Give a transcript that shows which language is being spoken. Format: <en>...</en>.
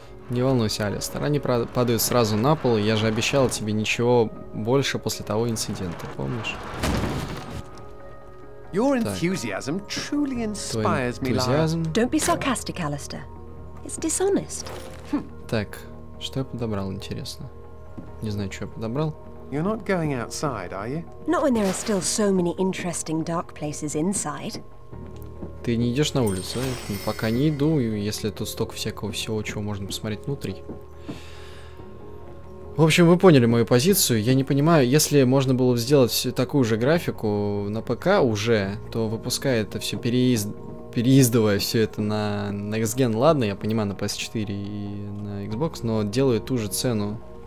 <ru>Не волнуйся, Алистер, они падают сразу на пол, я же обещал тебе ничего больше после того инцидента, помнишь?</ru> <en>Your enthusiasm truly inspires me, Lara. Don't be sarcastic, Alistair. It's dishonest.</en> <ru>Так. Что я подобрал, интересно? Не знаю, что я подобрал.</ru> <en>You're not going outside, are you? Not when there are still so many interesting dark places inside.</en> <ru>Ты не идешь на улицу, да? Пока не иду, если тут столько всякого всего, чего можно посмотреть внутри. В общем, вы поняли мою позицию. Я не понимаю, если можно было бы сделать такую же графику на ПК уже, то выпуская это все переиздывая все это на Next Gen, ладно, я понимаю, на PS4 и на Xbox, но делают ту же цену.</ru>